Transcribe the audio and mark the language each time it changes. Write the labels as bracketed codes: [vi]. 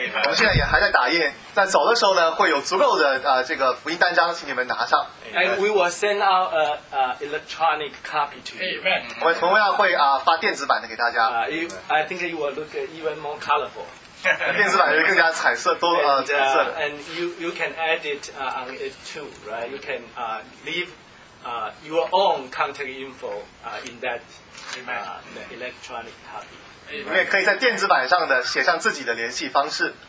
[zh] 我们现在也还在打印，在走的时候呢，会有足够的这个福音单章，请你们拿上。 [en] And we will send out a electronic copy to you. Amen. [zh] 我们同样会发电子版的给大家。 [en] I think it will look even more colorful. [zh] 电子版会更加彩色，多彩色的。 [en] And you can edit on it too, right? You can leave your own contact info in that electronic copy. [zh] 你们也可以在电子版上的写上自己的联系方式。